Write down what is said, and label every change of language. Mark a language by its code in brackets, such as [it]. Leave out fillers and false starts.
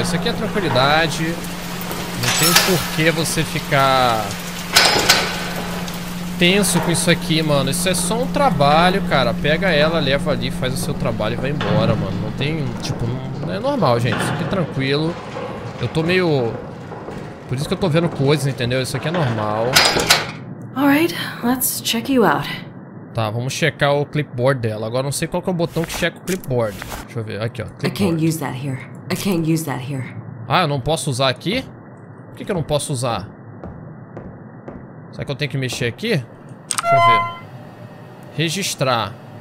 [pt] Isso aqui é tranquilidade. Não tem por que você ficar tenso com isso aqui, mano. Isso é só um trabalho, cara. Pega ela, leva ali, faz o seu trabalho e vai embora, mano. Não tem, tipo, não é normal, gente. Isso aqui é tranquilo. Eu tô meio... Por isso que eu tô vendo coisas, entendeu? Isso aqui é normal. [en] All right, let's check you out. [pt] Tá, vamos checar o clipboard dela. Agora não sei qual que é o botão que checa o clipboard. Deixa eu ver. Aqui, ó. [en] Clipboard. I can't use that here. [pt] Ah, eu não posso usar aqui? Por que que eu não posso usar? Será que eu tenho que mexer aqui? Deixa eu ver. Registrar.